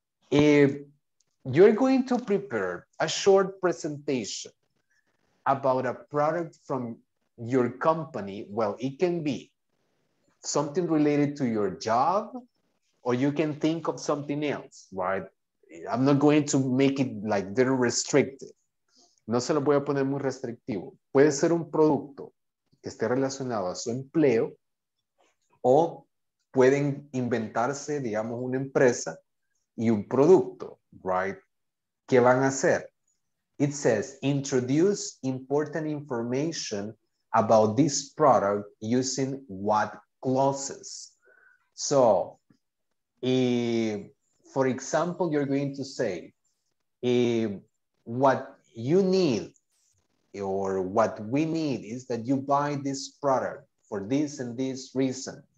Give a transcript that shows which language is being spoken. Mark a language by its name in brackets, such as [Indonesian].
[English] If you're going to prepare a short presentation about a product from your company, well, it can be something related to your job, or you can think of something else, right? I'm not going to make it like very restrictive. [Spanish] No se lo voy a poner muy restrictivo. Puede ser un producto que esté relacionado a su empleo, o pueden inventarse, digamos, una empresa y un producto, right? ¿Qué van a hacer? [English] It says, introduce important information about this product using what clauses. So, for example, you're going to say, what you need or what we need is that you buy this product for this and this reason.